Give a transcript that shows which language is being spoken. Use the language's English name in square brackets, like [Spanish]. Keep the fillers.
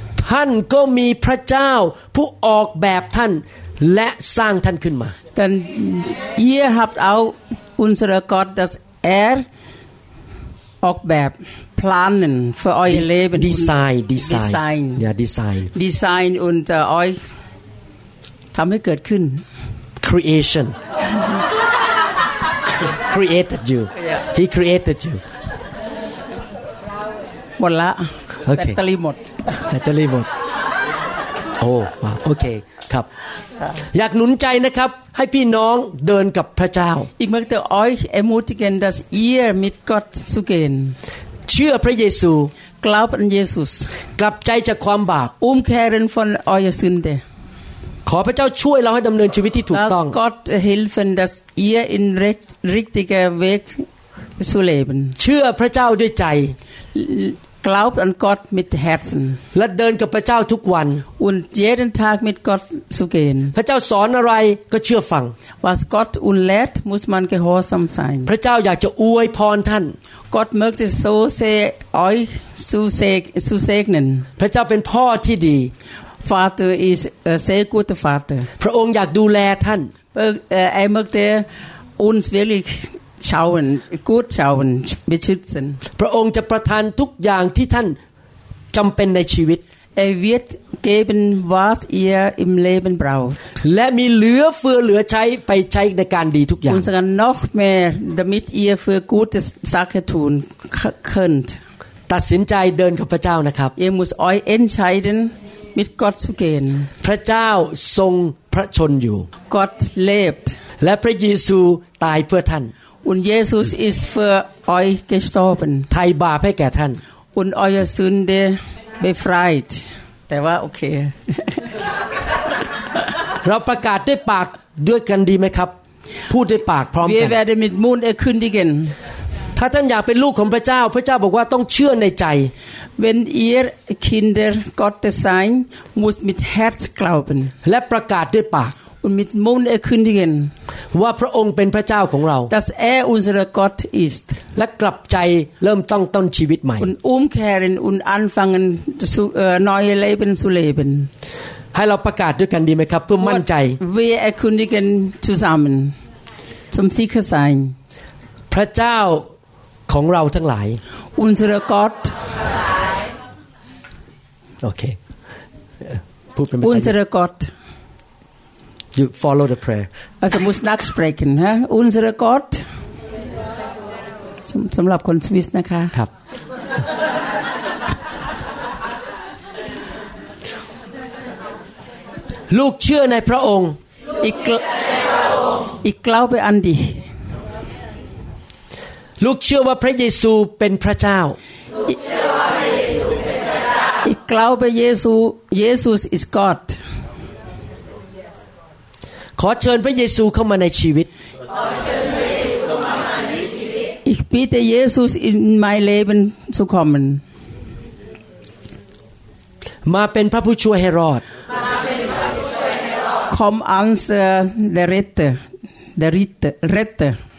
[Thai] ท่านก็มีพระเจ้าผู้ออกแบบท่านและสร้างท่านขึ้นมา [German] Denn ihr habt auch unseren Gott, dass er auchแบบplanen für euer Leben. [English] ดีไซน์ดีไซน์ Design [Thai] อย่าดีไซน์ [German] Design und äh, euch [Thai] ทำให้เกิดขึ้น [English] creation created you he created you [Thai] หมดละ โอเค แบตเตอรี่หมด แบตเตอรี่หมดโอ้ว้าวโอเคครับ อยากหนุนใจนะครับ ให้พี่น้องเดินกับพระเจ้า [German] Ich möchte euch ermutigen, dass ihr mit Gott zu gehen. [Thai] เชื่อพระเยซู [German] Glaubt Glaub an Jesus. [Thai] กลับใจจากความบาป [German] Umkehren von eurer Sünde. [Thai] ขอพระเจ้าช่วยเราให้ดำเนินชีวิตที่ถูก [German] Lass [Thai] ต้อง [German] Gott helfen, dass ihr in recht, richtiger Weg zu leben. [Thai] เชื่อพระเจ้าด้วยใจ [German] Glaubt an Gott mit Herzen [Thai] และเดินกับพระเจ้าทุกวัน [German] und jeden Tag mit Gott zu gehen. [Thai] พระเจ้าสอนอะไรก็เชื่อฟัง [German] Was Gott uns lehrt, muss man gehorsam sein. [Thai] พระเจ้าอยากจะอวยพรท่าน [German] Gott möchte so sehr euch zu, seg zu segnen. [Thai] พระเจ้าเป็นพ่อที่ดี [German] Vater ist ein sehr guter Vater. [Thai] พระองค์อยากดูแลท่าน [German] Äh, Er möchte uns wirklich schauen, gut schauen, beschützen. [Thai] พระองค์จะประทานทุกอย่างที่ท่านจำเป็นในชีวิต [German] Er wird geben, was ihr im Leben braucht. [Thai] และมีเหลือเฟือเหลือใช้ไปใช้ในการดีทุกอย่าง [German] Und sogar noch mehr, damit ihr für gute Sachen tun k- könnt. [Thai] ตัดสินใจเดินกับพระเจ้านะครับ [German] Ihr müsst euch entscheiden, mit Gott zu gehen. [Thai] พระเจ้าทรงพระชนอยู่ [German] Gott lebt [Thai] และพระเยซูตายเพื่อท่าน [German] und Jesus ist für euch gestorben [Thai] ไถ่บาปให้แก่ท่าน [German] und eure Sünde befreit. Der war okay. [Thai] เราประกาศด้วยปากด้วยกันดีไหมครับ พูดด้วยปากพร้อมกั [German] Wir [Thai] น [German] werden mit Mund erkündigen. [Thai] ถ้าท่านอยากเป็นลูกของพระเจ้า พระเจ้าบอกว่าต้องเชื่อในใจ [German] Wenn ihr Kinder Gottes seid, müsst mit Herz glauben [Thai] และประกาศด้วยปาก [German] und mit Mund erkündigen, [Thai] ว่าพระองค์เป็นพระเจ้าของเรา [German] dass er unser Gott ist. [Thai] และกลับใจเริ่มต้องต้นชีวิตใหม่ [German] Und umkehren und anfangen, zu, äh, neue Leben zu leben. [Thai] ให้เราประกาศด้วยกันดีไหมครับ เพื่อมั่นใจ [German] Wir erkündigen zusammen, zum sicher sein. [Thai] พระเจ้าของเราทั้งหลาย [German] Unser Gott, [Thai] โอเคเอ่อพูดเป็นภาษาอังกฤษ [German] unser Gott. [English] you follow the prayer [German] Also muss nachsprechen. Hä? Unser Gott. [Thai] สำหรับคนสวิสนะคะ ครับ ลูกเชื่อในพระองค์ [German] Ich, gl- ich glaube an dich. [Thai] ลูกเชื่อว่าพระเยซูเป็นพระเจ้า [German] Ich glaube, Jesu, Jesus ist Gott. [Thai] ขอเชิญพระเยซูเข้ามาในชีวิต [German] Ich bitte Jesus, in mein Leben zu kommen. [Thai] มาเป็นพระผู้ช่วยให้รอด [German] Komm als äh, der Retter, der Ritter, Retter.